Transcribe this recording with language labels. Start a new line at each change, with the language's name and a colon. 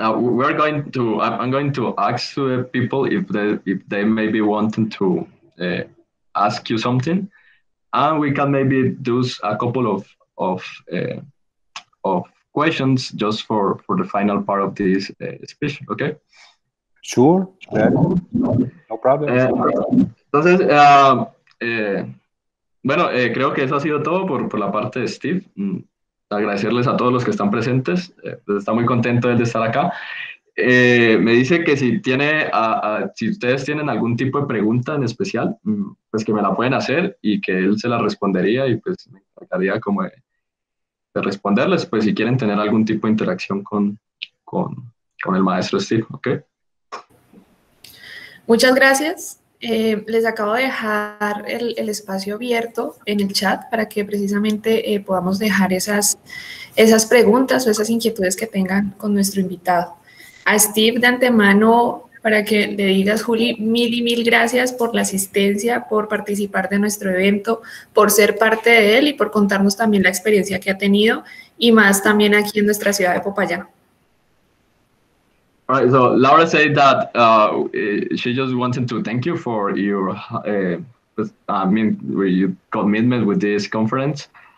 English: I'm going to ask the people if they maybe wanting to ask you something. And we can maybe do a couple of of questions just for the final part of this speech, okay? Sure, no problem.
Spanish: Entonces, bueno, creo que eso ha sido todo por la parte de Steve. Agradecerles a todos los que están presentes. Está muy contento él de estar acá. Me dice que si ustedes tienen algún tipo de pregunta en especial, pues que me la pueden hacer y que él se la respondería y pues me encantaría como de responderles, pues si quieren tener algún tipo de interacción con el maestro Steve, ¿ok? Muchas gracias. Les acabo de dejar el espacio abierto en el chat para que precisamente podamos dejar esas preguntas o esas inquietudes que tengan con nuestro invitado. A Steve de antemano, para que le digas, Juli, mil y mil gracias por la asistencia, por participar de nuestro evento, por ser parte de él y por contarnos también la experiencia que ha tenido y más también aquí en nuestra ciudad de Popayán.
English: All right, so Laura said that she just wanted to thank you for your your commitment with this conference.